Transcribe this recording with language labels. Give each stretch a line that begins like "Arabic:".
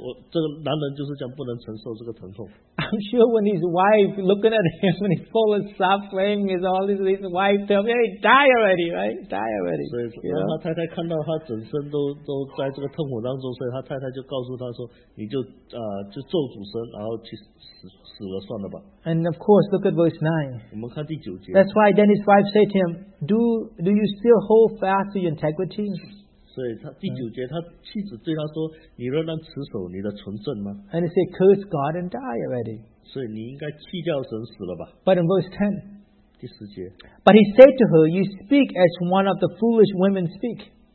Chinese: 所以当我生病的时候，就是一点感冒，我就好像一个小婴孩一样。我太太就常常告诉我，你就不要当一个小孩子。然后我这个男人就是这样，不能承受这个疼痛。
English: I'm sure when his wife looking at him when he's full of suffering, is all his wife tell me, "Hey, die already, right? Die already."
Chinese: 所以，当他太太看到他整身都在这个痛苦当中，所以他太太就告诉他说，你就咒诅神，然后去死了算了吧。
English: And of course, look at verse 9.
Chinese: 我们看第九节。
English: That's why then his wife said to him, "Do you still hold fast to your integrity?"
Chinese: 所以他第九节，他妻子对他说：“你仍然持守你的纯正吗？”
English: And he said, "Curse God and die already."
Chinese: 所以你应该弃掉神死了吧。
English: But in verse 10,
Chinese: 第十节,
English: But he said to her, You speak as one of the foolish women speak.